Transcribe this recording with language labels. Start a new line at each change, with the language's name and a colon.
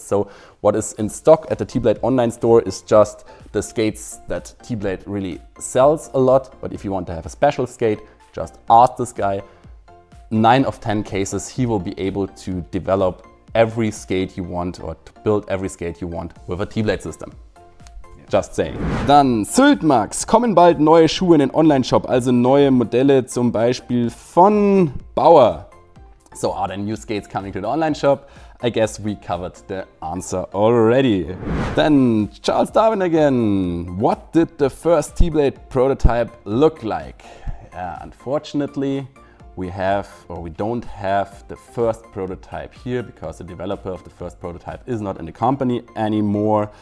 English: So what is in stock at the tblade online store is just the skates that tblade really sells a lot. But if you want to have a special skate, just ask this guy. 9 of 10 cases, he will be able to develop every skate you want or to build every skate you want with a tblade system. Just saying.
German: Dann
English: Syltmax.
German: Kommen bald neue Schuhe in den Online-Shop, also neue Modelle zum Beispiel von Bauer.
English: So, are there new skates coming to the Online-Shop? I guess we covered the answer already. Then Charles Darwin again. What did the first tblade prototype look like? Unfortunately, we don't have the first prototype here because the developer of the first prototype is not in the company anymore.